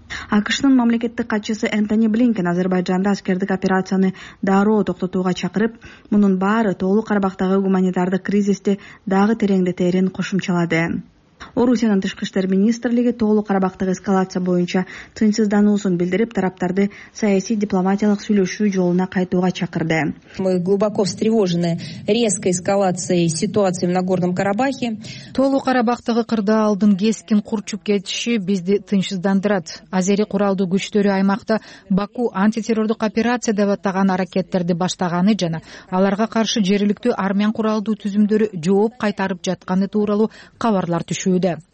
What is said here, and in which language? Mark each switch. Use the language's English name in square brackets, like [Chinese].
[Kyrgyz] АКШнын мамлекеттик катчысы Энтони Блинкен Азербайджанда аскердик операцияны дароо токтотууга чакырып, мунун баары Тоолук Карабактагы гуманитардык кризисти дагы тереңдетэрин кошумчалады. Орусиянын тышкы иштер министрлиги Тоолук Карабактагы эскалация боюнча тынчсыздануусун билдирип, тарапторду саясий дипломатиялык сүйлөшүү жолуна кайтууга чакырды. [Russian] Мы глубоко встревожены резкой эскалацией ситуации в Нагорном Карабахе. [Kyrgyz] Тоолук Карабактагы кырдаалдын кескин курчуп кетиши бизди тынчсыздандырат. Азери куралдуу күчтөрү аймакта Баку антитеррордук операция деп атаган аракеттерди баштаганы жана аларга каршы жергиликтүү армян куралдуу түзүмдөрү жооп кайтарып жатканы тууралуу кабарлар түшүүдө.